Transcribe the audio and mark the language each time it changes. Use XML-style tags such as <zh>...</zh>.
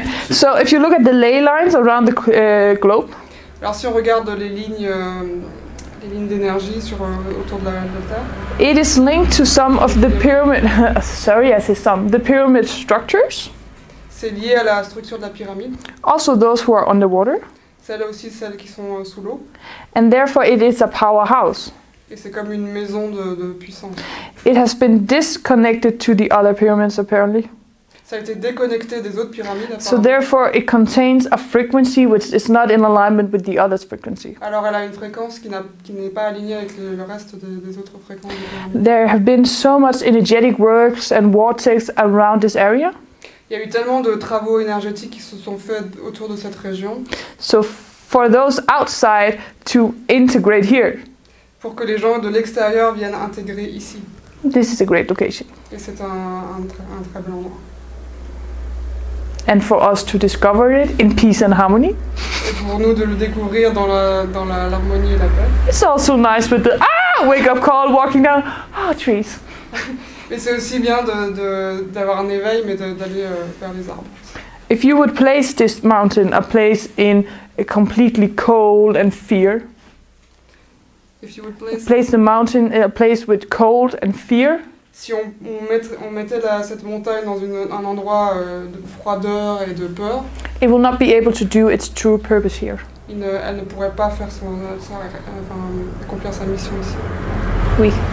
<en>So if you look at the ley lines around the globe.</en> <fr>Alors si on regarde les lignes d'énergie sur autour de la Terre.</fr> <en>It is linked to some of the pyramid. Sorry, I say some. The pyramid structures.</en> <fr>C'est lié à la structure de la pyramide.</fr> <en>Also those who are underwater.</en> <fr>Celles aussi celles qui sont sous l'eau.</fr> <en>And therefore it is a powerhouse.</en> <fr>Et c'est comme une maison de puissance.</fr> <en>It has been disconnected to the other pyramids, apparently.</en> <fr>Ça a été déconnecté des autres pyramides, apparemment.</fr> <en>So therefore, it contains a frequency which is not in alignment with the other's frequency.</en> <fr>Alors elle a une fréquence qui n'est pas alignée avec le reste des autres fréquences.</fr> <en>There have been so much energetic works and vortex around this area.</en> <fr>Il y a eu tellement de travaux énergétiques qui se sont faits autour de cette région.</fr> <en>So for those outside to integrate here.</en> <fr>Pour que les gens de l'extérieur viennent intégrer ici.</fr> <en>This is a great location.</en> <fr>Et c'est un très bel endroit.</fr> <en>And for us to discover it in peace and harmony.</en> <fr>Et pour nous de le découvrir dans la l'harmonie et la paix.</fr> <en>It's also nice with the wake up call walking down trees.</en> <fr>Mais c'est aussi bien d'avoir un éveil mais d'aller vers les arbres.</fr> <en>If you would place this mountain a place in a completely cold and fear. If you would place, the mountain in a place with cold and fear.</en> <fr>Si on mettait cette montagne dans un endroit de froideur et de peur.</fr> <en>It will not be able to do its true purpose here.</en> <fr>Elle ne pourrait pas faire accomplir sa mission ici. Oui.</fr>